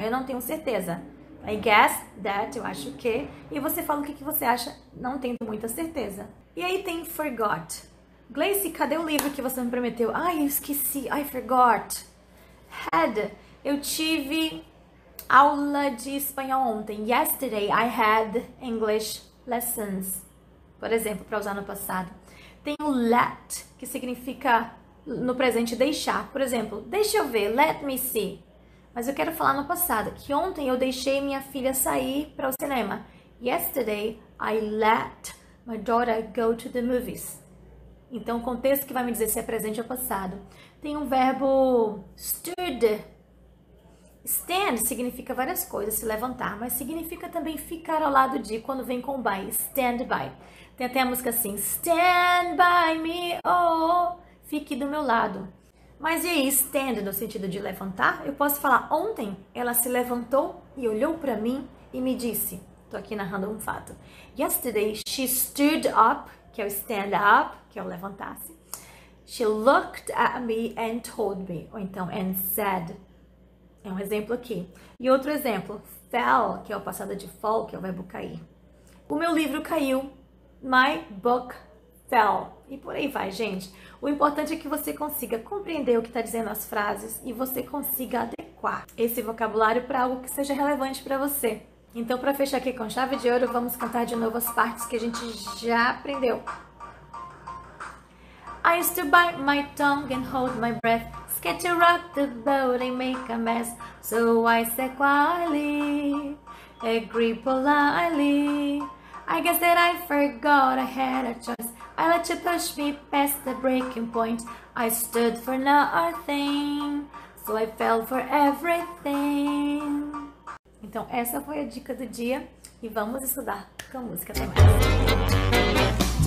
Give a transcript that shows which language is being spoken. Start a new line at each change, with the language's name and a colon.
Portuguese: Eu não tenho certeza.
English: I guess that,
Portuguese: eu acho que. E você fala o que você acha, não tendo muita certeza. E aí tem forgot. Gleice, cadê o livro que você me prometeu? Ai, eu esqueci.
English: I forgot.
Portuguese: Had, eu tive aula de espanhol ontem.
English: Yesterday, I had English lessons.
Portuguese: Por exemplo, para usar no passado. Tem o let, que significa no presente deixar. Por exemplo, deixa eu ver.
English: Let me see.
Portuguese: Mas eu quero falar no passado, que ontem eu deixei minha filha sair para o cinema.
English: Yesterday, I let my daughter go to the movies.
Portuguese: Então, o contexto que vai me dizer se é presente ou passado. Tem um verbo stood. Stand significa várias coisas, se levantar, mas significa também ficar ao lado de quando vem com by, stand by. Tem até a música assim, stand by me, oh, fique do meu lado. Mas e aí, stand no sentido de levantar? Eu posso falar, ontem ela se levantou e olhou para mim e me disse, tô aqui narrando um fato.
English: Yesterday she stood up,
Portuguese: que é o stand up, que é o levantar-se.
English: She looked at me and told me,
Portuguese: ou então,
English: and said.
Portuguese: É um exemplo aqui. E outro exemplo, fell, que é o passado de fall, que é o verbo cair. O meu livro caiu.
English: My book fell.
Portuguese: E por aí vai, gente. O importante é que você consiga compreender o que está dizendo as frases e você consiga adequar esse vocabulário para algo que seja relevante para você. Então, para fechar aqui com chave de ouro, vamos cantar de novo as partes que a gente já aprendeu.
English: I used to bite my tongue and hold my breath, scared to rock the boat and make a mess. So I said quietly, agree politely. I guess that I forgot I had a choice. I let you push me past the breaking point. I stood for nothing, so I fell for everything.
Portuguese: Então, essa foi a dica do dia e vamos estudar com a música também.